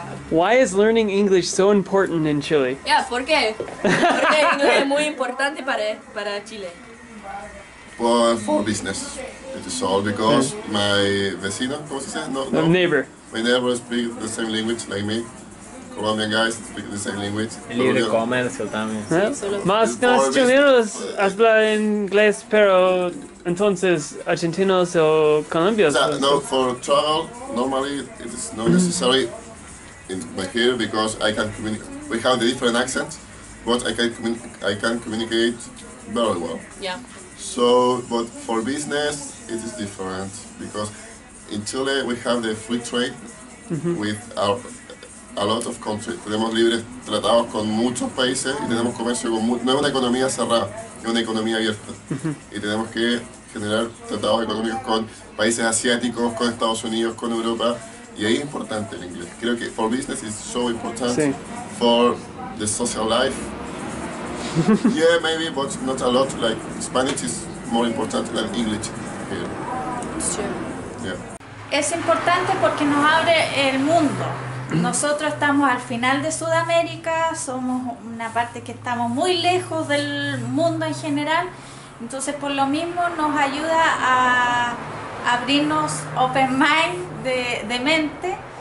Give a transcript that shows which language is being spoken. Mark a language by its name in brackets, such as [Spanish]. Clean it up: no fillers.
[English] Why is learning English so important in Chile? [Spanish] Yeah, ¿por qué? Porque inglés es muy importante para Chile. [English] Well, for business, it is all because my vecino, how was he saying? No. Neighbor. My neighbor speaks the same language like me. Colombian guys speak the same language. [Spanish] El libre comercio también. Más que los chilenos hablan inglés, pero entonces argentinos o colombianos. [English] No, for travel, normally it is not necessary. But here, because I can communicate, we have the different accent, but I can communicate very well. Yeah. So, but for business, it is different because in Chile we have the free trade with a lot of countries. [Spanish] Tenemos libres tratados con muchos países y tenemos comercio con no es una economía cerrada, es una economía abierta. Y tenemos que generar tratados económicos con países asiáticos, con Estados Unidos, con Europa. Y ahí es importante el inglés. Creo que [English] for business is so important for the social life. Yeah, maybe, but not a lot. Like Spanish is more important than English here. Sure. Yeah. [Spanish] Es importante porque nos abre el mundo. Nosotros estamos al final de Sudamérica, somos una parte que estamos muy lejos del mundo en general. Entonces, por lo mismo, nos ayuda a abrirnos [English] open mind [Spanish] de mente.